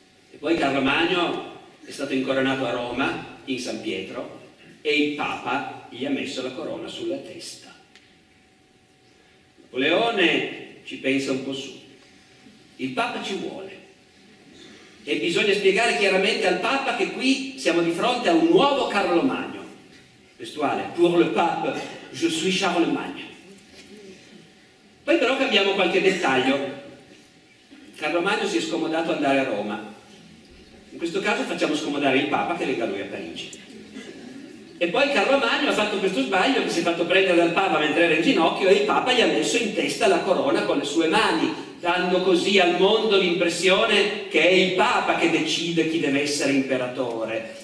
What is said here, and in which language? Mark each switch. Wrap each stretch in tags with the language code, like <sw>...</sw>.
<it>E poi Carlo Magno è stato incoronato a Roma, in San Pietro, e il Papa gli ha messo la corona sulla testa. Napoleone ci pensa un po' su. Il Papa ci vuole. E bisogna spiegare chiaramente al Papa che qui siamo di fronte a un nuovo Carlo Magno.</it> <fr>Testuale, pour le Pape, je suis Charles Magno.</fr> <it>Poi però cambiamo qualche dettaglio. Carlo Magno si è scomodato ad andare a Roma. In questo caso facciamo scomodare il Papa che venga lui a Parigi. E poi Carlo Magno ha fatto questo sbaglio, che si è fatto prendere dal Papa mentre era in ginocchio, e il Papa gli ha messo in testa la corona con le sue mani, dando così al mondo l'impressione che è il Papa che decide chi deve essere imperatore.</it>